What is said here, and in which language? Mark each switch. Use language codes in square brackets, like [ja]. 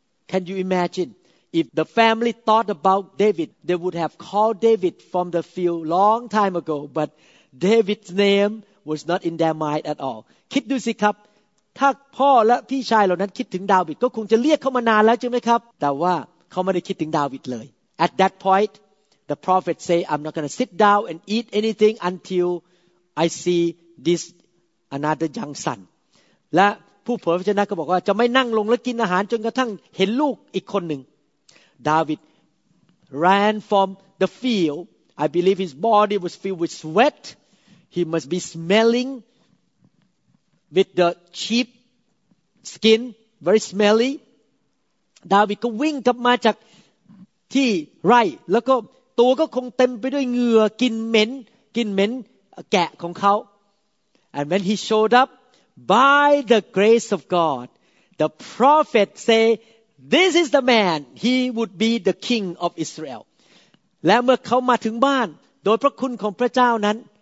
[en] Can you imagine if the family thought about David they would have called David from the field long time ago but David's name was not in their mind at all [th] คิดดูสิครับถ้าพ่อและพี่ชายเหล่านั้นคิดถึงดาวิดก็คงจะเรียกเขามานานแล้วใช่ไหมครับแต่ว่าเขาไม่ได้คิดถึงดาวิดเลย [en] at that pointThe prophet say, I'm not going to sit down and eat anything until I see this another young son. [th] และผู้เผยพระชนะก็บอกว่าจะไม่นั่งลงและกินอาหารจนกระทั่งเห็นลูกอีกคนหนึ่ง [en] David ran from the field. I believe his body was filled with sweat. He must be smelling with the sheep skin, very smelly. David [th] ก็วิ่งกลับมาจากที่ไร่แล้วก็ตัวก็คงเต็มไปด้วยเหงื่อกินเหม็นกินเหม็นแกะของเขา [en] and when he showed up by the grace of God the prophet say this is the man he would be the king of Israel [th] และเมื่อเขามาถึงบ้านโดยพระคุณของพระเจ้านั้น